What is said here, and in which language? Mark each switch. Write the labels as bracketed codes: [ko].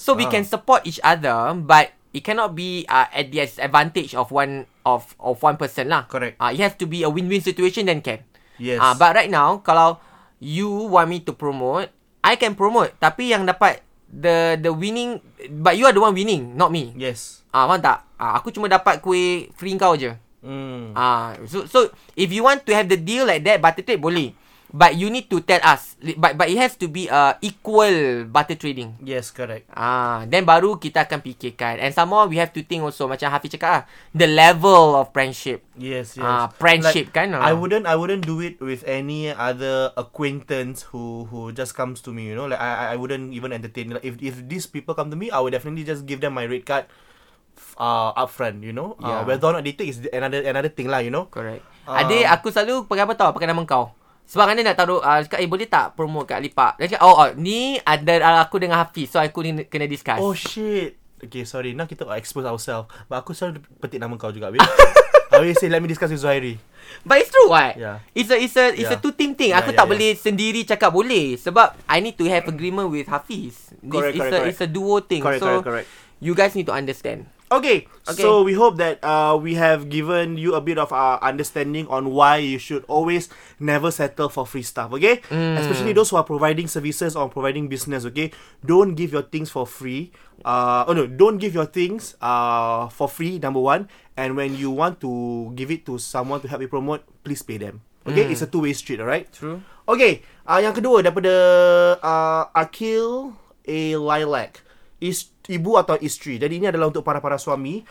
[en] So we can support each other, but it cannot be at the advantage of one person lah. Correct. It has to be a win-win situation then can. Yes. But right now, kalau you want me to promote, I can promote. [ms] Tapi yang dapat [en] the winning, but you are the one winning, not me. Yes. [ms] Faham tak? Aku cuma dapat kuih free kau je. [en] So if you want to have the deal like that, butter trade boleh. But you need to tell us. But it has to be equal butter trading. Yes, correct. [ms] Then baru kita akan fikirkan. [en] And some more we have to think also, [ms] macam Hafiz cakap lah, [en] the level of friendship. Yes. Friendship like, I wouldn't do it with any other acquaintance who just comes to me. You know, like I wouldn't even entertain. Like, if these people come to me, I would definitely just give them my red card. Upfront, you know. Yeah. Whether or not they take is another thing lah. You know. Correct. [ms] Adik, aku selalu pakai apa tau? Pakai nama kau. Sebab kan dia nak taruh, cakap, boleh tak promote kat Lipak? Dia cakap, ni ada aku dengan Hafiz, so aku ni kena discuss. [en] Oh, shit. Okay, sorry. Now kita expose ourselves. [ms] But aku selalu petik nama kau juga, babe. [en] I say, let me discuss with Zuhairi. But it's true, right? Yeah. It's a two-team thing. Yeah, [ms] aku tak boleh sendiri cakap boleh. [en] Sebab I need to have agreement with Hafiz. It's a duo thing. Correct. You guys need to understand. Okay. So we hope that we have given you a bit of our understanding on why you should always never settle for free stuff, okay? Mm. Especially those who are providing services or providing business, okay? Don't give your things for free. Don't give your things for free, number one. And when you want to give it to someone to help you promote, please pay them. Okay? It's a two-way street, alright? True. Okay. [ms] Yang kedua, daripada Akil A. Lilac. Is ibu atau isteri? Jadi ini adalah untuk para-para suami.